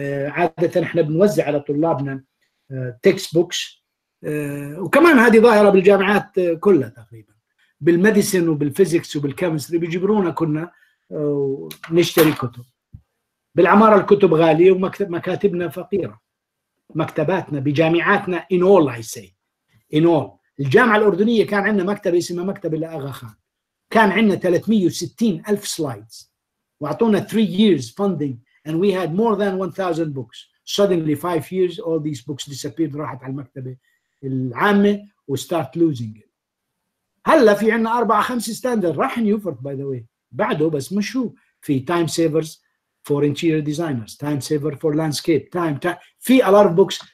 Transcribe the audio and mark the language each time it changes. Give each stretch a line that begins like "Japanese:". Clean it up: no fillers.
Arabic: عادة احنا بنوزع على طلابنا textbooks. وكمان هذه ظاهرة بالجامعات كلها تقريبا. بالمديسن وبالفيزيكس وبالكيمستري بيجبرونا كنا نشتري كتب. بالعمارة الكتب غالية ومكاتبنا فقيرة. مكتباتنا بجامعاتنا
English: in all I say. In all.
Arabic: الجامعة الأردنية كان عندنا مكتب اسمه مكتب الأغا خان. كان عندنا 360 ألف سلايدز وعطونا
English: 3 years funding and we had more than 1,000 books. Suddenly 5 years all these books disappeared,
Arabic: راحت على المكتبة العامة و
English: start losing it.
Arabic: هلأ في عندنا 4-5
English: standard راح نيوفورك by the way بعده، بس مش هو في time savers for interior designers, time saver for landscape, time في a lot of books.